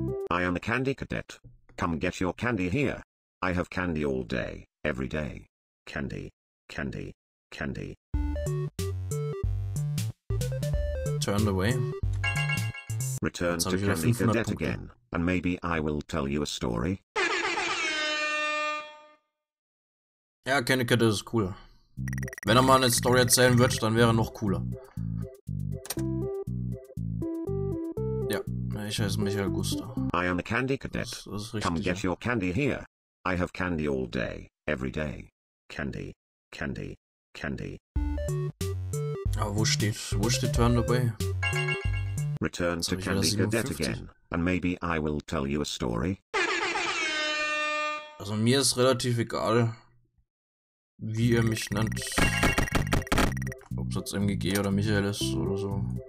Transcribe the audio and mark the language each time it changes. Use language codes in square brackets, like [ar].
[en] I am a Candy Cadet. Come get your candy here. I have candy all day, every day. Candy, candy, candy. Turned away. Return to Candy Cadet again, and maybe I will tell you a story. [de] Ja, Candy Cadet ist cool. Wenn er mal eine Story erzählen würde, dann wäre er noch cooler. Ich heiße Michael Gusta. [en] I am a Candy Cadet. [de] Das ist richtig, [en] come get your candy here. I have candy all day, every day. Candy, candy, candy. [de] Aber wo steht Turn Away? [en] Return to Candy Cadet again, and maybe I will tell you a story. [de] Also mir ist relativ egal, wie ihr mich nennt. Ob es jetzt MGG oder Michael ist oder so.